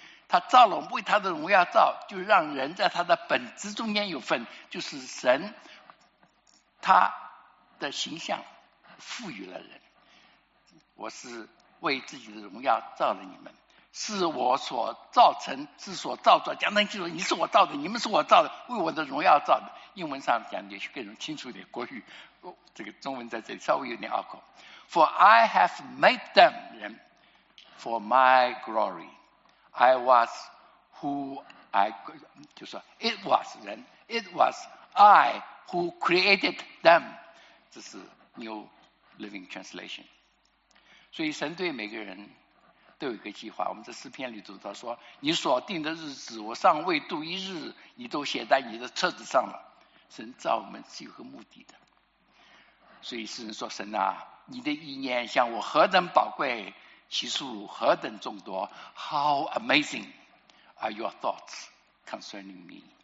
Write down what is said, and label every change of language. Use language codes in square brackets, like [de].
[zh] 他造了我们为他的荣耀造，就让人在他的本质中间有份，就是神他的形象赋予了人。我是为自己的荣耀造了你们，是我所造成，是所造作，讲得很清楚，你是我造的，你们是我造的，为我的荣耀造的。英文上讲也许更清楚一点，国语这个中文在这里稍微有点拗口。 [en] For I have made them, for my glory. I was who I, [zh] 就说 [en] it was [zh] 人 [en] it was I who created them. [zh] 这是 New Living Translation. 所以神对每个人都有一个计划。我们在诗篇里读到说，你所定的日子我尚未度一日，你都写在你的册子上了。神造我们是有个目的的。所以诗人说，神啊，你的意念像我何等宝贵，其数何等众多。 [en] How amazing are your thoughts concerning me?